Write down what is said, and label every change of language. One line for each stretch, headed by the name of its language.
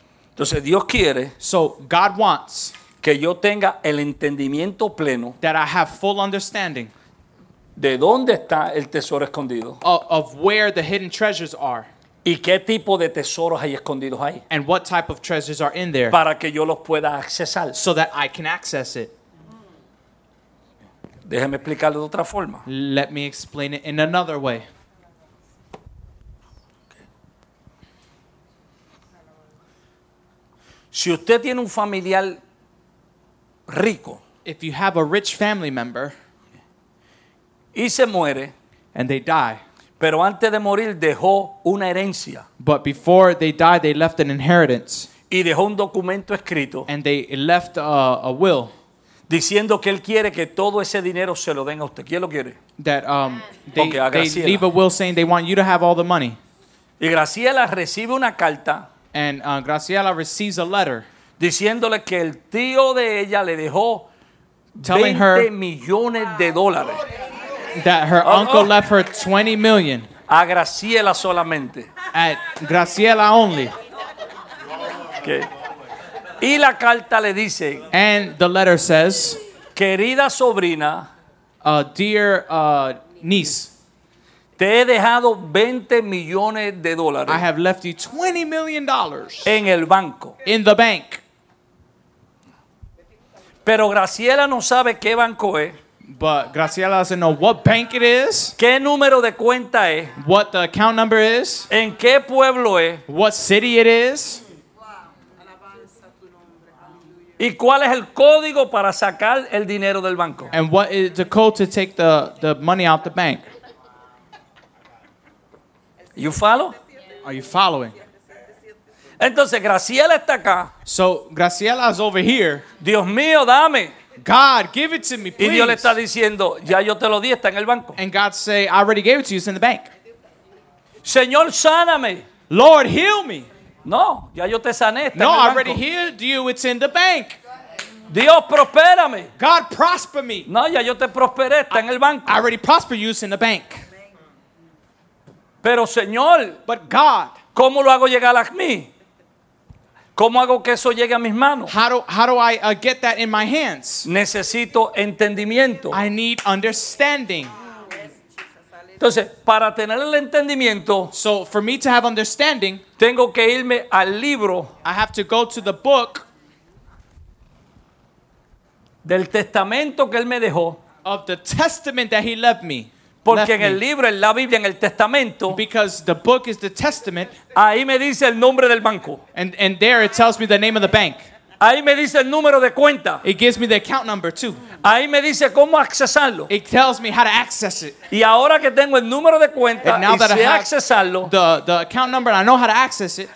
Spanish: Entonces Dios quiere.
English: So God wants.
Spanish: Que yo tenga el entendimiento pleno.
English: That I have full understanding.
Spanish: De dónde está el tesoro escondido.
English: Of where the hidden treasures are.
Spanish: ¿Y qué tipo de tesoros hay escondidos ahí?
English: And what type of treasures are in there?
Spanish: Para que yo los pueda accesar.
English: So that I can access it.
Spanish: Déjame explicarlo de otra forma.
English: Let me explain it in another way.
Spanish: Si usted tiene un familiar rico,
English: if you have a rich family member,
Spanish: y se muere,
English: and they die,
Spanish: pero antes de morir dejó una herencia.
English: But before they died, they left an inheritance.
Spanish: Y dejó un documento escrito.
English: And they left a will.
Spanish: diciendo que él quiere que todo ese dinero se lo den a usted. ¿Quién lo quiere?
English: That they leave a will saying they want you to have all the money.
Spanish: Y Graciela recibe una carta.
English: And Graciela receives a letter.
Spanish: Diciéndole que el tío de ella le dejó 20
English: her,
Spanish: millones de dólares.
English: That her uncle left her 20 million.
Spanish: A Graciela solamente.
English: At Graciela only.
Spanish: Okay. Y la carta le dice,
English: and the letter says,
Spanish: querida sobrina,
English: dear niece,
Spanish: te he dejado 20 millones de dólares.
English: I have left you 20 million dollars.
Spanish: En el banco.
English: In the bank.
Spanish: Pero Graciela no sabe qué banco es.
English: But Graciela doesn't know what bank it is.
Spanish: ¿Qué número de cuenta es?
English: What the account number is.
Spanish: ¿En qué pueblo es?
English: What city it is.
Spanish: ¿Y cuál es el código para sacar el dinero del banco?
English: And what is the code to take the money out the bank? You follow? Are you following?
Spanish: Entonces Graciela está acá.
English: So Graciela is over here.
Spanish: Dios mío, dame.
English: God, give it to me, please.
Spanish: Y Dios le está diciendo, ya yo te lo di, está en el banco.
English: And God say, I already gave it to you, it's in the bank.
Spanish: Señor, sáname.
English: Lord, heal me.
Spanish: No, ya yo te sané.
English: No, I already healed you. It's in the bank.
Spanish: Dios, prospérame.
English: God, prosper me.
Spanish: No, ya yo te prosperé. Está en el banco.
English: I already prospered you. It's in the bank.
Spanish: Pero, Señor.
English: But, God.
Spanish: ¿Cómo lo hago llegar a mí? ¿Cómo hago que eso llegue a mis manos?
English: How do I get that in my hands?
Spanish: Necesito entendimiento.
English: I need understanding.
Spanish: Entonces, para tener el entendimiento,
English: so for me to have understanding,
Spanish: tengo que irme al libro,
English: I have to go to the book
Spanish: del testamento que él me dejó,
English: of the testament that he left me.
Spanish: Porque en el libro, en la Biblia, en el testamento,
English: because the book is the testament,
Spanish: ahí me dice el nombre del banco.
English: And there it tells me the name of the bank.
Spanish: Ahí me dice el número de cuenta.
English: It gives me the account number too.
Spanish: Ahí me dice cómo accesarlo.
English: It tells me how to access it.
Spanish: Y ahora que tengo el número de cuenta y sé accesarlo,
English: the account number, I know how to access it.